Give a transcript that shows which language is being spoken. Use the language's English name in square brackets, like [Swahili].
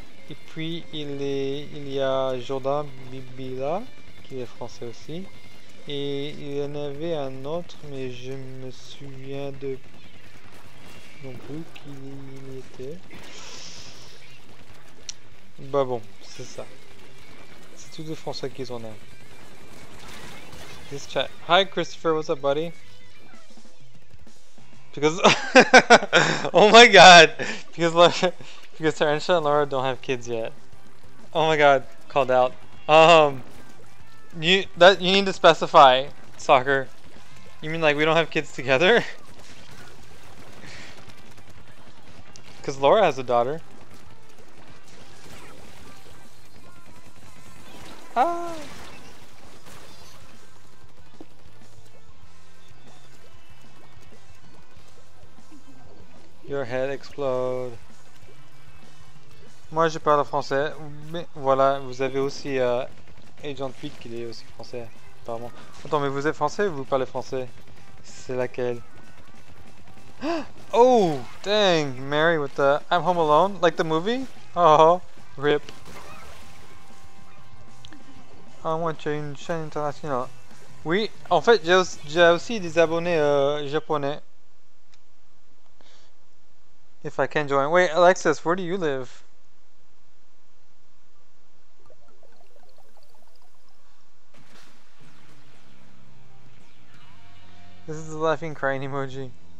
[French] Et puis, il y a Jordan Bibila qui est français aussi. Et il y en avait un autre, mais je me souviens de non plus qui il était. Bah bon, c'est ça. C'est tous les Français qu'ils en ont. [English] This chat. Hi Christopher, what's up buddy? Because... oh my god! Because Tarantula and Laura don't have kids yet. Oh my god, called out. You need to specify, soccer. You mean like we don't have kids together? Because Laura has a daughter. Ah! Your head explode. [French] Moi je parle français, mais voilà, vous avez aussi Agent Pit qui est aussi français, apparemment. Attends, mais vous êtes français ou vous parlez français? C'est laquelle? [English] Oh, dang, Mary with the I'm Home Alone, like the movie? Oh, rip. I want you [French] une chaîne internationale. Oui, en fait, j'ai aussi des abonnés japonais. [English] If I can join. Wait, Alexis, where do you live? This is the laughing crying emoji.